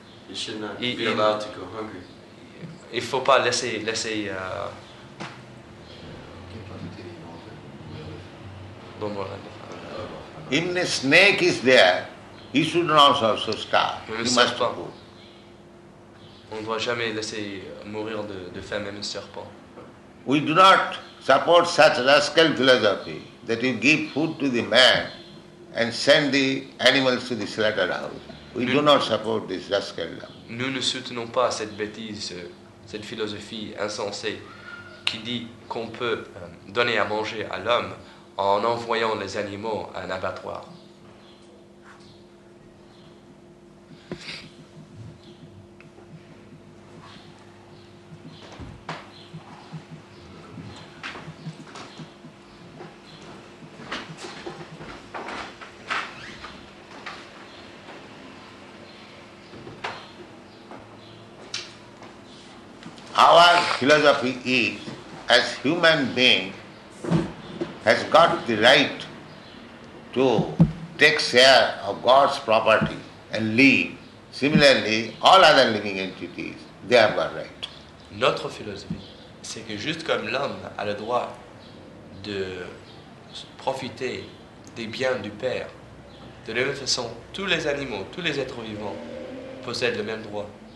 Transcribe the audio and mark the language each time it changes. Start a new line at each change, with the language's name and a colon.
English: He should not be allowed to go hungry.
French: Il faut pas laisser dans le.
English: Even a snake is there, he should not also starve. He must go.
French: On ne doit jamais laisser mourir de faim même un serpent.
English: We do not support such rascal philosophy that you give food to the man and send the animals to the slaughterhouse. We do not support this rascal.
French: Nous ne soutenons pas cette bêtise, cette philosophie insensée qui dit qu'on peut donner à manger à l'homme en envoyant les animaux à un abattoir.
English: Our philosophy is, as human being, has got the right to take share of God's property and live. Similarly, all other living entities, they have a right.
French: Notre philosophie, c'est que juste comme l'homme a le droit de profiter des biens du Père, de la même façon, tous les animaux, tous les êtres vivants possèdent le même droit.